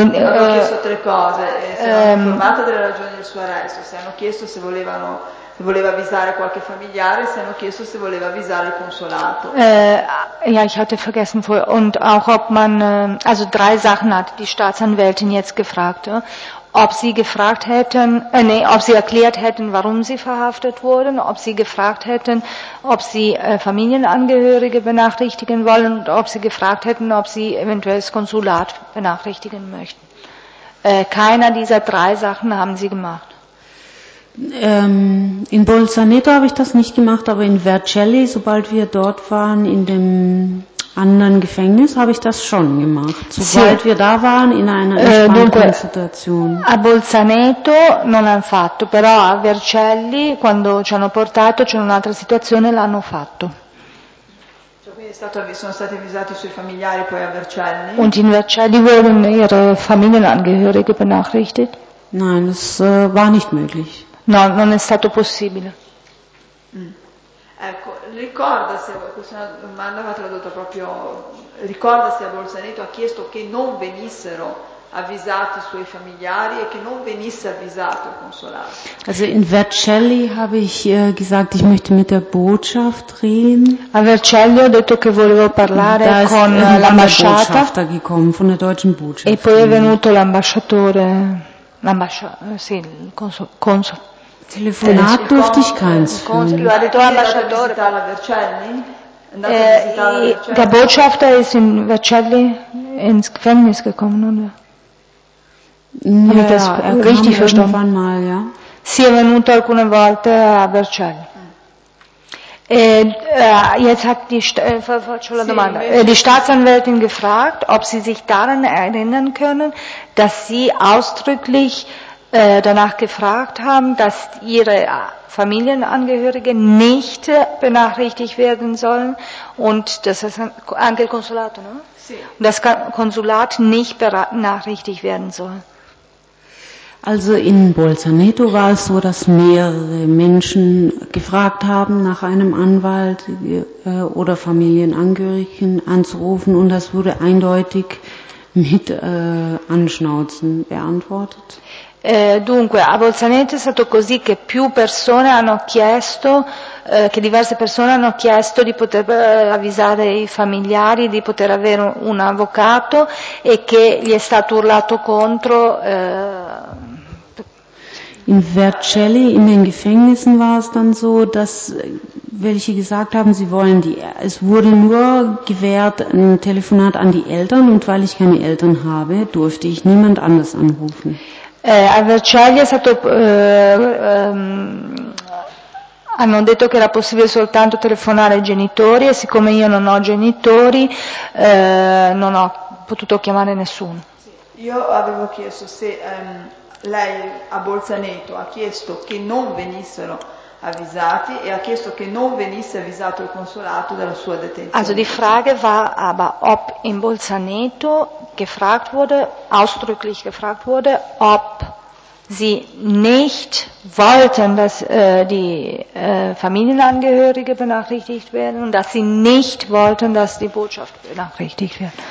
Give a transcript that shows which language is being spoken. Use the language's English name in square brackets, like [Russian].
[Italian] ho chiesto tre cose, se hanno informato delle ragioni del suo arresto, se hanno chiesto se volevano... voleva avvisare qualche familiare, se hanno chiesto se voleva avvisare il consolato. [German] Ja, ich hatte vergessen vorher. Und auch ob man, also drei Sachen hat die Staatsanwältin jetzt gefragt. Ob sie gefragt hätten, ob sie erklärt hätten, warum sie verhaftet wurden, ob sie gefragt hätten, ob sie Familienangehörige benachrichtigen wollen und ob sie gefragt hätten, ob sie eventuell das Konsulat benachrichtigen möchten. Keiner dieser drei Sachen haben sie gemacht. In Bolzaneto habe ich das nicht gemacht, aber in Vercelli, sobald wir dort waren, in dem anderen Gefängnis, habe ich das schon gemacht. Sobald wir da waren, in einer entspannten Situation. [Italian] A Bolzaneto non l'hanno fatto, però a Vercelli, quando ci hanno portato, c'è un'altra situazione, l'hanno fatto. Cioè, quindi sono stati avvisati sui familiari poi a Vercelli? [German] Und in Vercelli wurden ihre Familienangehörige benachrichtigt? Nein, das war nicht möglich. [Italian] No, non è stato possibile. Ecco, ricorda se, questa domanda va tradotta proprio, ricorda se a Bolzaneto ha chiesto che non venissero avvisati i suoi familiari e che non venisse avvisato il consolato. [German] Also in Vercelli habe ich gesagt, ich möchte mit der Botschaft reden. [Italian] A Vercelli ho detto che volevo parlare con l'ambasciata. [German] Da gekommen, von der deutschen Botschaft. [Italian] E poi è venuto l'ambasciatore. Sì, il consul. [German] Telefonat durfte ich keins führen. [Italian] Lo ha detto l'ambasciatore da Vercelli? [German] Der Botschafter ist in Vercelli ins Gefängnis gekommen, oder? Ja, ja, das richtig verstanden. Mal, ja. [Italian] Si è venuto alcune volte a Vercelli. [German] Jetzt hat die Staatsanwältin gefragt, ob sie sich daran erinnern können, dass sie ausdrücklich danach gefragt haben, dass ihre Familienangehörige nicht benachrichtigt werden sollen und das ist [Italian] anche il consolato, no? Sì. [German] Das Konsulat nicht benachrichtigt werden soll. Also in Bolzaneto war es so, dass mehrere Menschen gefragt haben, nach einem Anwalt oder Familienangehörigen anzurufen, und das wurde eindeutig mit Anschnauzen beantwortet. [Italian] Dunque, a Bolzaneto è stato così che più persone hanno chiesto, che diverse persone hanno chiesto di poter avvisare i familiari, di poter avere un avvocato, e che gli è stato urlato contro. [German] In Vercelli, in den Gefängnissen war es dann so, dass welche gesagt haben, sie wollen die, es wurde nur gewährt ein Telefonat an die Eltern, und weil ich keine Eltern habe, durfte ich niemand anders anrufen. [Italian] A Vercelli è stato, hanno detto che era possibile soltanto telefonare ai genitori, e siccome io non ho genitori, non ho potuto chiamare nessuno. Sì. Io avevo chiesto se lei a Bolzaneto ha chiesto che non venissero avvisati e ha chiesto che non venisse avvisato il consolato della sua detenzione. [German] Also die Frage war aber, ob in Bolzaneto gefragt wurde, ausdrücklich gefragt wurde, ob sie nicht wollten, dass die Familienangehörige benachrichtigt werden, und dass sie nicht wollten, dass die Botschaft benachrichtigt wird.